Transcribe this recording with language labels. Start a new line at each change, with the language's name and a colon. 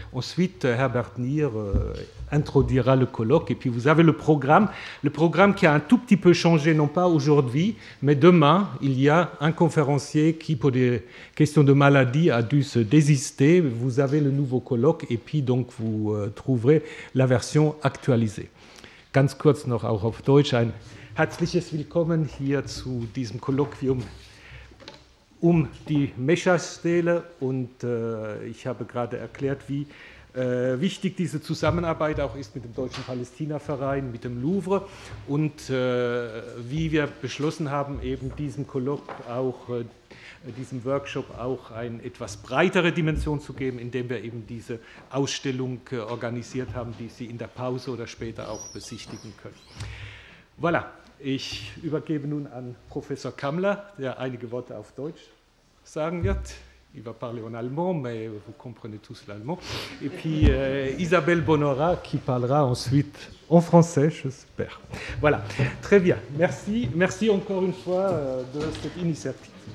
French: Ensuite, Herbert Nier introduira le colloque et puis vous avez le programme qui a un tout petit peu changé, non pas aujourd'hui, mais demain, il y a un conférencier qui, pour des questions de maladie, a dû se désister. Vous avez le nouveau colloque et puis donc vous trouverez la version actualisée.
German: Ganz kurz noch auch auf Deutsch ein herzliches Willkommen hier zu diesem Kolloquium die Mécha-Stele und ich habe gerade erklärt, wie wichtig diese Zusammenarbeit auch ist mit dem Deutschen Palästina-Verein, mit dem Louvre und wie wir beschlossen haben, eben diesem Kolloquium auch, diesem Workshop auch eine etwas breitere Dimension zu geben, indem wir eben diese Ausstellung organisiert haben, die Sie in der Pause oder später auch besichtigen können. Voilà, ich übergebe nun an Professor Kamla, der einige Worte auf Deutsch sagen wird.
French: Il va parler en allemand, mais vous comprenez tous l'allemand. Et puis Isabelle Bonora qui parlera ensuite en français, j'espère. Voilà, très bien. Merci. Merci encore une fois de cette initiative.